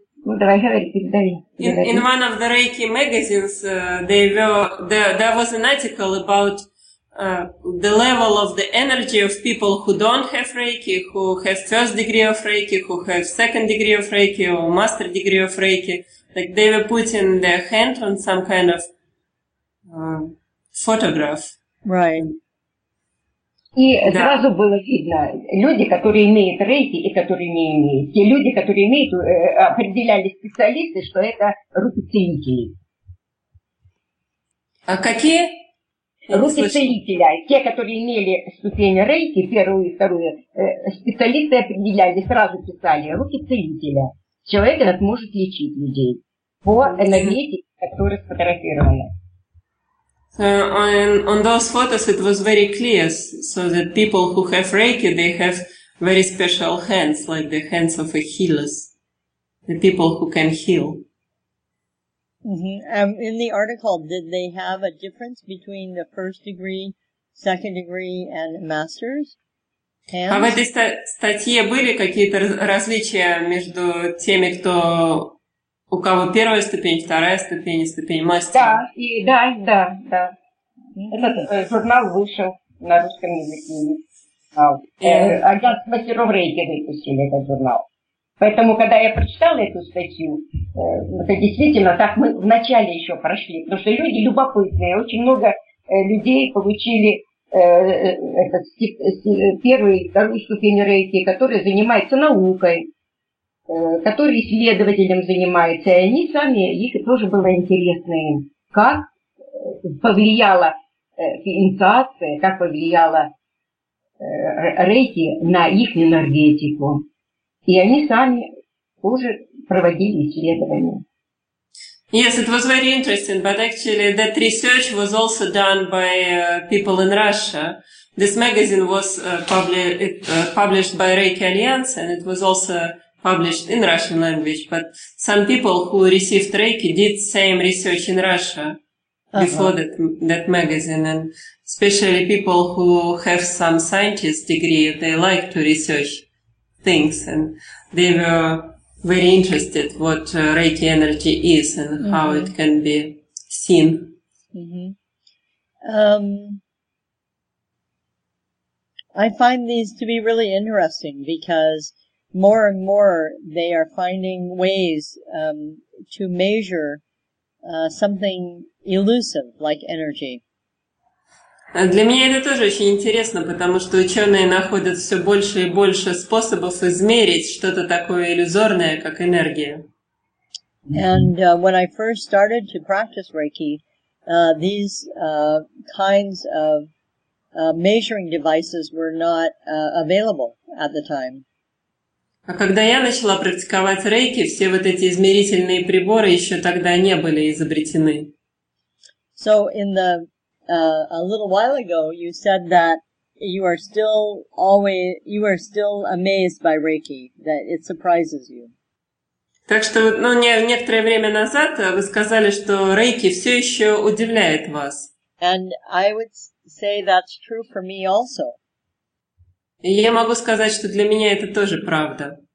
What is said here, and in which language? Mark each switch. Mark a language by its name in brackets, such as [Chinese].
[English] In one of the Reiki magazines, there was an article about the level of the energy of people who don't have Reiki, who have first degree of Reiki, who have second degree of Reiki or master degree of Reiki. Like they were putting their hand on some kind of photograph. Right. [Russian] И да. Сразу было видно, люди, которые имеют рейки и которые не имеют. Те люди, которые имеют, определяли специалисты, что это руки-целители. А какие? Руки-целителя. Те, которые имели ступень рейки, первую и вторую, специалисты определяли, сразу писали, руки-целителя. Человек этот может лечить людей по энергетике, которая сфотографирована. [English] On those photos, it was very clear, so that people who have Reiki, they have very special hands, like the hands of a healer, the people who can heal. Mm-hmm. In the article, did they have a difference between the first degree, second degree, and master's hands? [Russian] А в этой статье были какие-то различия между теми, кто... У кого первая ступень, вторая ступень, ступень мастера? Да. Этот журнал вышел на русском языке. Агент мастеров Рейки выпустили этот журнал. Поэтому, когда я прочитала эту статью, это действительно так мы вначале еще прошли. Потому что люди любопытные. Очень много людей получили первую и вторую ступень Рейки, которые занимаются наукой, которые исследователем занимаются, и они сами, их тоже было интересно им, как повлияла инициация, как повлияла рейки на их энергетику. И они сами тоже проводили исследования. [English] Yes, it was very interesting, but actually that research was also done by people in Russia. This magazine was published by Reiki Alliance, and it was also published in Russian language, but some people who received Reiki did same research in Russia before that magazine, and especially people who have some scientist degree, they like to research things, and they were very interested what Reiki energy is and mm-hmm. how it can be seen. Mm-hmm. I find these to be really interesting because more and more, they are finding ways to measure something elusive, like energy. [Russian] Для меня это тоже очень интересно, потому что ученые находят все больше и больше способов измерить что-то такое иллюзорное, как энергия. [English] And when I first started to practice Reiki, these kinds of measuring devices were not available at the time. [Russian] А когда я начала практиковать рейки, все вот эти измерительные приборы еще тогда не были изобретены. [English] So in the a little while ago you said that you are still amazed by Reiki, that it surprises you. [Russian] Так что, некоторое время назад вы сказали, что рейки все еще удивляет вас. [English] And I would say that's true for me also. [Russian] И я могу сказать, что для меня это тоже правда.